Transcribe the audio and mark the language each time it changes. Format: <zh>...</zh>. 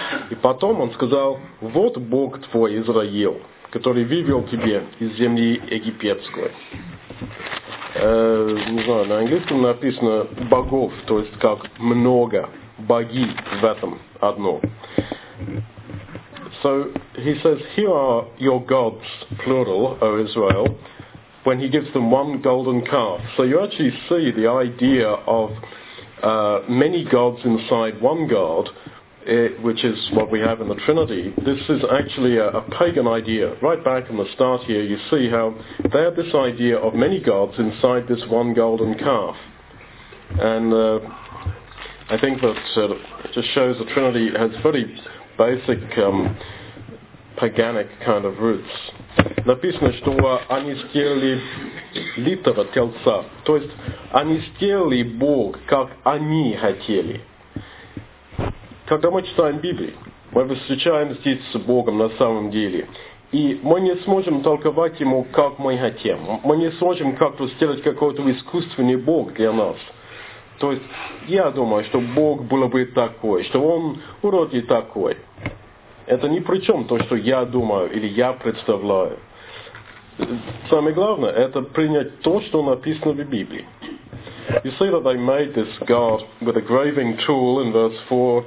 <ru>И потом он сказал, вот Бог твой Израил, который вывел тебя из земли египетской. Не знаю, на английском написано богов, то есть как много, боги в этом одно.</ru> <en>So he says, here are your gods, plural, O Israel, when he gives them one golden calf. So you actually see the idea of many gods inside one God, which is what we have in the Trinity. This is actually a pagan idea. Right back in the start here, you see how they have this idea of many gods inside this one golden calf. And I think that just shows the Trinity has very basic paganic kind of roots.</en> <ru>Написано, что они сделали литого тельца. То есть, они сделали Бог, как они хотели. Когда мы читаем Библию, мы встречаемся с Богом на самом деле. И мы не сможем толковать Ему, как мы хотим. Мы не сможем как-то сделать какой-то искусственный Бог для нас. То есть, я думаю, что Бог был бы такой, что Он вроде такой. Это ни при чем то, что я думаю или я представляю. Самое главное, это принять то, что написано в Библии.</ru> <en>You see that they made this God with a graving tool in verse 4.</en>